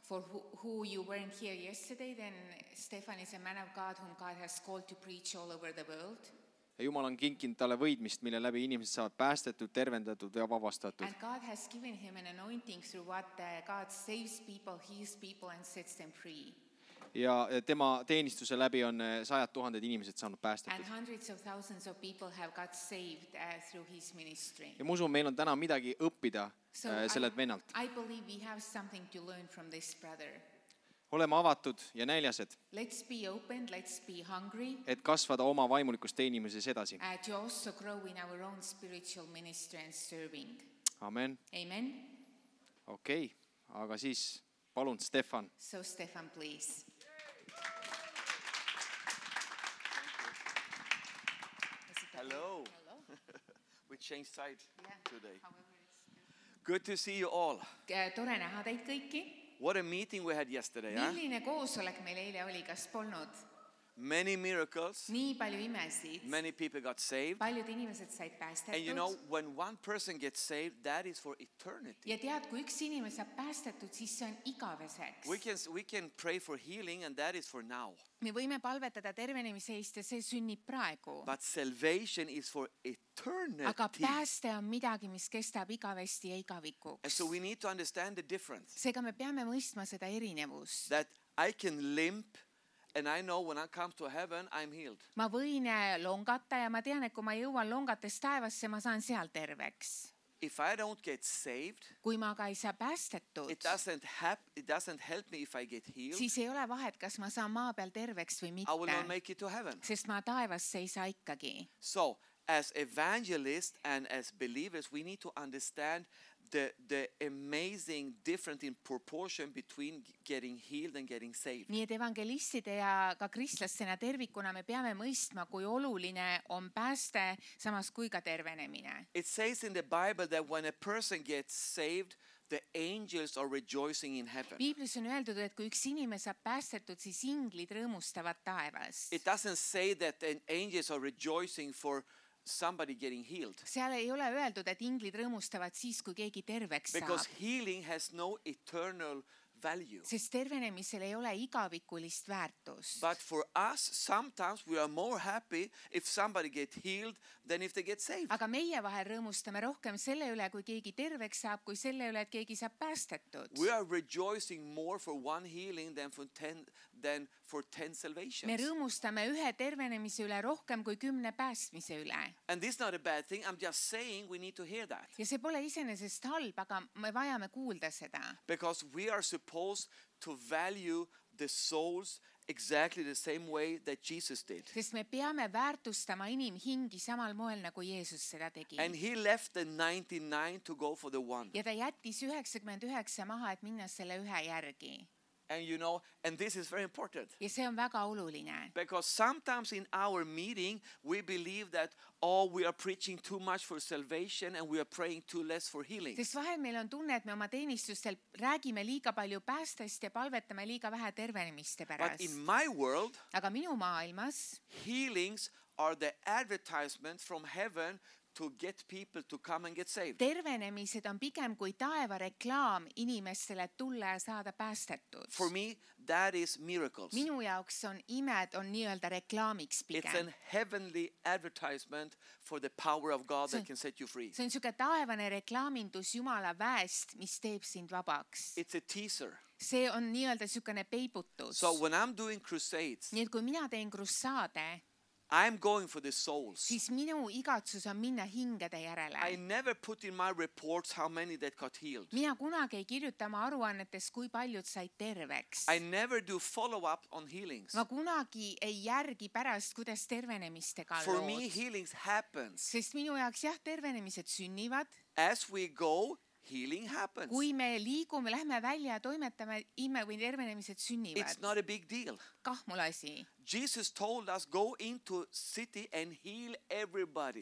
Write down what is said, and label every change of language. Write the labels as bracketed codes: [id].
[en] For who you weren't here yesterday, then Stefan is a man of God whom God has called to preach all over the world. [et] Ja Jumal on kinkinud talle võidmist, mille läbi inimesed saavad päästetud, tervendatud ja vabastatud. [en] And God has given him an anointing through what God saves people, heals people and sets them free. [et] Ja tema teenistuse läbi on sajad tuhanded inimesed saanud päästetud. [en] And hundreds of thousands of people have got saved through his ministry. [et] Ja ma usun, meil on täna midagi õppida sellelt vennalt. [en] I believe we have something to learn from this brother. [et] Oleme avatud ja näljased. [en] Let's be open, let's be hungry. [et] Et kasvada oma vaimulikus teenimises edasi. [en] And to also grow in our own spiritual ministry and serving. Amen. Amen. [et] Okei, aga siis palun Stefan. [en] So Stefan, please. Hello. We changed side today. Good to see you all. [et] Tore näha teid kõiki. [en] What a meeting we had yesterday, huh? [et] Milline koosolek meil eile oli, kas polnud? [en] Many miracles. [et] Nii palju imesid. [en] Many people got saved. [et] Paljud inimesed said päästetud. [en] And you know, when one person gets saved, that is for eternity. [et] Ja tead, kui üks inimene saab päästetud, siis see on igaveseks. [en] We can pray for healing and that is for now. [et] Me võime palvetada tervenemise eest ja see sünnib praegu. [en] But salvation is for eternity. [et] Aga pääste on midagi, mis kestab igavesti ja igavikuks. [en] And so we need to understand the difference. [et] Seega me peame mõistma seda erinevust. [en] That I can limp and I know when I come to heaven, I'm healed. [et] Ma võin longata ja ma tean, et kui ma jõuan longates taevasse, ma saan seal terveks. [en] If I don't get saved, [et] kui ma ka ei saa päästetud, [en] it doesn't help me if I get healed. [et] Siis ei ole vahet, kas ma saan maa peal terveks või mitte. [en] I will not make it to heaven. [et] Sest ma taevasse ei saa ikkagi. [en] So, as evangelists and as believers, we need to understand the amazing difference in proportion between getting healed and getting saved. [et] Nii et evangelistide ja ka kristlastena tervikuna me peame mõistma, kui oluline on pääste samas kui ka tervenemine. [en] It says in the Bible that when a person gets saved, the angels are rejoicing in heaven. [et] Biblis on öeldud, et kui üks inimene saab päästetud, siis inglid rõõmustavad taevas. [en] It doesn't say that the angels are rejoicing for somebody getting healed. [et] Seal ei ole öeldud, et inglid rõõmustavad siis, kui keegi terveks saab. [en] Because healing has no eternal value. [et] Sest tervenemisel ei ole igavikulist väärtust. [en] But for us, sometimes we are more happy if somebody get healed than if they get saved. [et] Aga meie vahel rõõmustame rohkem selle üle, kui keegi terveks saab, kui selle üle, et keegi saab päästetud. [en] We are rejoicing more for one healing than for ten salvations. [et] Me rõõmustame ühe tervenemise üle rohkem kui 10 päästmise üle. [en] And this is not a bad thing, I'm just saying we need to hear that. [et] Ja see pole isenesest halb, aga me vajame kuulda seda. [en] Because we are supposed to value the souls exactly the same way that Jesus did. [et] Sest me peame väärtustama inimhingi samal moel nagu Jeesus seda tegi. [en] And he left the 99 to go for the one. [et] Ja ta jättis 99 maha, et minna selle ühe järgi. [en] And you know, and this is very important. [et] Ja see on väga oluline. [en] Because sometimes in our meeting, we believe that all we are preaching too much for salvation and we are praying too less for healing. [et] Sest vahel meil on tunne, et me oma teenistusel räägime liiga palju päästest ja palvetame liiga vähe tervenemiste pärast. [en] But in my world, [et] aga minu maailmas, [en] healings are the advertisement from heaven to get people to come and get saved. [et] Tervenemised on pigem kui taeva reklaam inimestele tulla ja saada päästetud. [en] For me that is miracles. [et] Minu jaoks on imed on nii-öelda reklaamiks pigem. [en] It's a heavenly advertisement for the power of God that can set you free. [et] See on siuke taevane reklaamindus Jumala väest, mis teeb sind vabaks. [en] It's a teaser. [et] See on nii-öelda siukene peibutus. [en] So when I'm doing crusades. [et] Nii et kui mina teen krusaade, [en] I'm going for the souls. [et] Siis minu igatsus on minna hingede järele. [en] I never put in my reports how many that got healed. [et] Mina kunagi ei kirjuta oma aruannetes, kui paljud said terveks. [en] I never do follow-up on healings. [et] Ma kunagi ei järgi pärast, kuidas tervenemistega lood. [en] For me, healings happens. [et] Sest minu jaoks jah, tervenemised sünnivad. [en] As we go, healing happens. [et] Kui me liigume, lähme välja ja toimetame, ime või tervenemised sünnivad. [en] It's not a big deal. [et] Kahmul asi. [en] Jesus told us go into city and heal everybody.